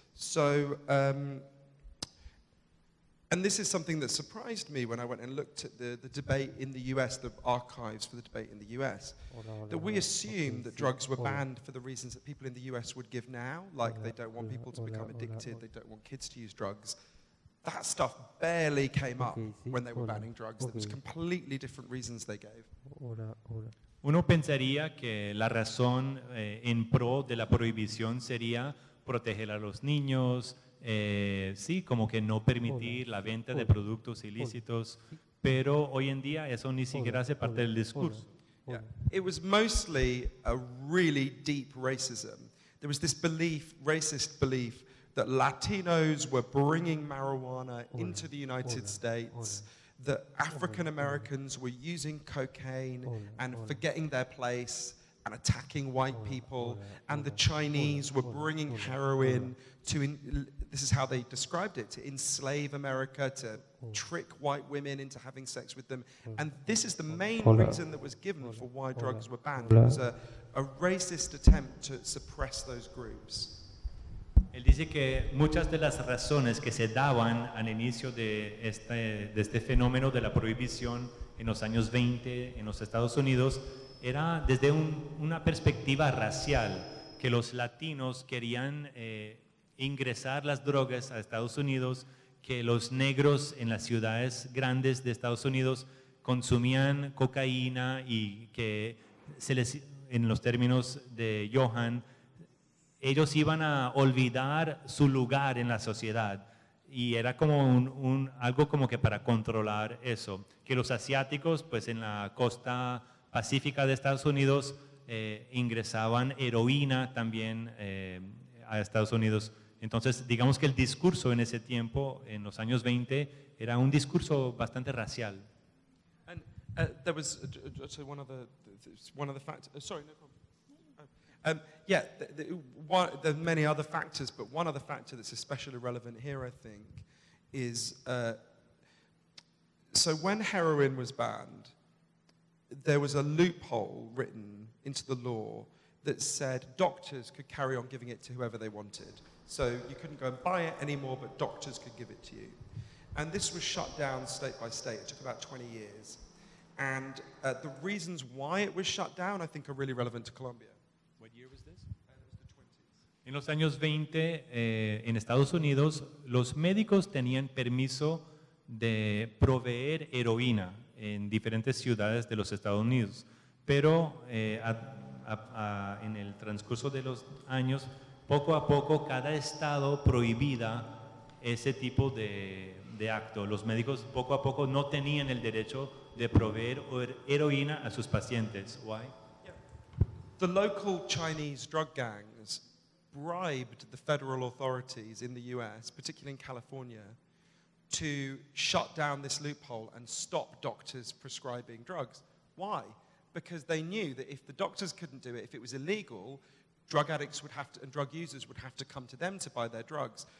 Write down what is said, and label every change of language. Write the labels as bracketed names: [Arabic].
[English] So and this is something that surprised me when I went and looked at the debate in the US, the archives for the debate in the US, that we assume that drugs were banned for the reasons that people in the US would give now, like they don't want people to become addicted, they don't want kids to use drugs. That stuff barely came up when they were banning drugs. There was completely different reasons they gave. [Spanish] Uno pensaría que la razón en pro de la prohibición sería proteger a los niños, sí, como que no permitir la venta de productos ilícitos, pero hoy en día eso ni siquiera hace parte del discurso. [English] Yeah. It was mostly a really deep racism. There was this belief, racist belief, that Latinos were bringing marijuana into the United States, that African Americans were using cocaine and forgetting their place and attacking white people, and the Chinese were bringing heroin to, this is how they described it, to enslave America, to trick white women into having sex with them. And this is the main reason that was given for why drugs were banned. It was a racist attempt to suppress those groups. [Spanish] Él dice que muchas de las razones que se daban al inicio de este fenómeno de la prohibición en los años 20 en los Estados Unidos era desde una perspectiva racial, que los latinos querían ingresar las drogas a Estados Unidos, que los negros en las ciudades grandes de Estados Unidos consumían cocaína y que se les, en los términos de Johan, ellos iban a olvidar su lugar en la sociedad. Y era como algo como que para controlar eso, que los asiáticos pues en la costa pacífica de Estados Unidos ingresaban heroína también a Estados Unidos. Entonces, digamos que el discurso en ese tiempo, en los años 20, era un discurso bastante racial. [English] And there was there are many other factors, but one other factor that's especially relevant here, I think, is so when heroin was banned, there was a loophole written into the law that said doctors could carry on giving it to whoever they wanted. So you couldn't go and buy it anymore, but doctors could give it to you. And this was shut down state by state. It took about 20 years. And the reasons why it was shut down, I think, are really relevant to Colombia. What year was this? It was the 20s. [Spanish] En los años 20, en Estados Unidos, los médicos tenían permiso de proveer heroína en diferentes ciudades de los Estados Unidos. Pero en el transcurso de los años, poco a poco cada estado prohibía ese tipo de acto. Los médicos poco a poco no tenían el derecho de proveer heroína a sus pacientes. [English] Why? The local Chinese drug gangs bribed the federal authorities in the US, particularly in California, to shut down this loophole and stop doctors prescribing drugs. Why? Because they knew that if the doctors couldn't do it, if it was illegal, drug addicts would have to, and drug users would have to come to them to buy their drugs.